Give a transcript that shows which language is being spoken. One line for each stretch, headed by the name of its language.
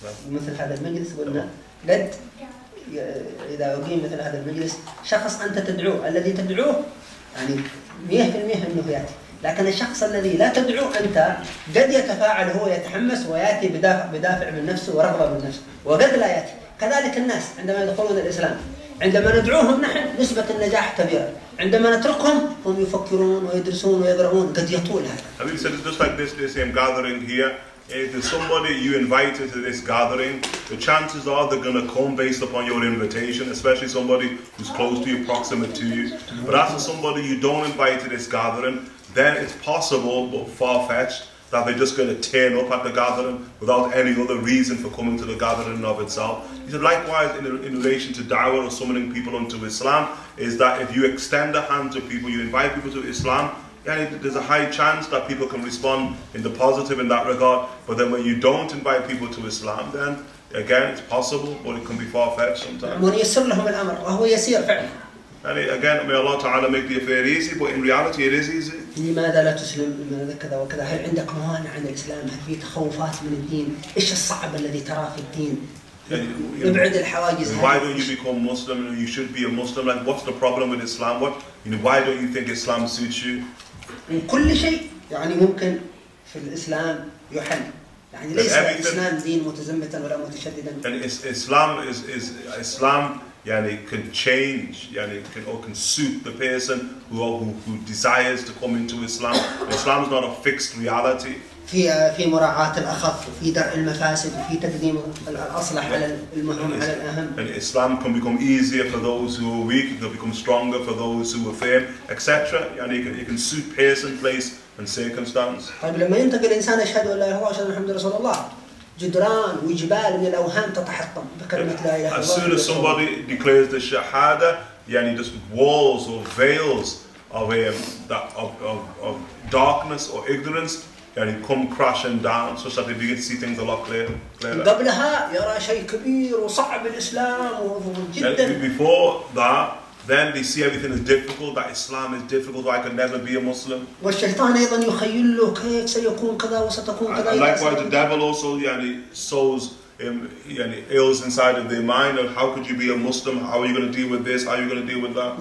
Arabic: مثل هذا المجلس قلنا قد إذا أقيم مثل هذا المجلس شخص أنت تدعوه الذي تدعوه يعني 100% أنه يأتي، لكن الشخص الذي لا تدعوه أنت قد يتفاعل هو يتحمس ويأتي بدافع من نفسه ورغبة من نفسه وقد لا يأتي. كذلك الناس عندما يدخلون الإسلام عندما ندعوهم نحن نسبة النجاح كبيرة. عندما نتركهم هم يفكرون ويدرسون ويقرؤون قد يطول هذا.
English: Habib said it's just like this, they say I'm gathering here. If there's somebody you invite to this gathering, the chances are they're going to come based upon your invitation, especially somebody who's close to you, proximate to you. But as for somebody you don't invite to this gathering, then it's possible but far-fetched that they're just going to turn up at the gathering without any other reason for coming to the gathering of itself. He said, likewise, in relation to da'wah or summoning people unto Islam, is that if you extend a hand to people, you invite people to Islam, yeah, there's a high chance that people can respond in the positive in that regard. But then when you don't invite people to Islam, then again, it's possible, but it can be far-fetched sometimes. And again, may Allah Ta'ala make the affair easy, but in reality it is easy.
Arabic: لماذا لا تسلم من كذا وكذا؟ هل عندك موانع عن الإسلام؟ هل في تخوفات من الدين؟ إيش الصعب الذي ترى في الدين؟ ابعد الحواجز.
English: Why don't you become Muslim? You should be a Muslim. Like, what's the problem with Islam? What? You know, why don't you think Islam suits you?
Arabic: كل شيء يعني ممكن في الإسلام يحل. يعني ليس الإسلام دين متزمتا ولا متشددا.
English: And Islam. Yani can change, yani can suit the person who desires to come into Islam. Islam is not a fixed reality.
Arabic: في مراعاة الأخف وفي درء المفاسد وفي تقديم الأصلح على المهم على الأهم.
English: And Islam can become easier for those who are weak. It can become stronger for those who are firm, etc. يعني it can suit person, place, and circumstance.
Arabic: طيب لما ينتقل الإنسان أشهد أن لا إله إلا الله وأشهد أن محمدا رسول الله. جدران وجبال من الأوهام تتحطم بكلمة لا إله إلا الله.
English: As soon as somebody declares the shahada, يعني just walls or veils of darkness or ignorance, يعني come crashing down, so that they begin to see things a lot clearer.
Arabic: قبلها يرى شيء كبير وصعب الإسلام وجدا.
English: Before that, then they see everything is difficult, that Islam is difficult, so I can never be a Muslim. And likewise, the devil also sows ills inside of their mind, and how could you be a Muslim? How are you going to deal with this? How are you going to deal with that?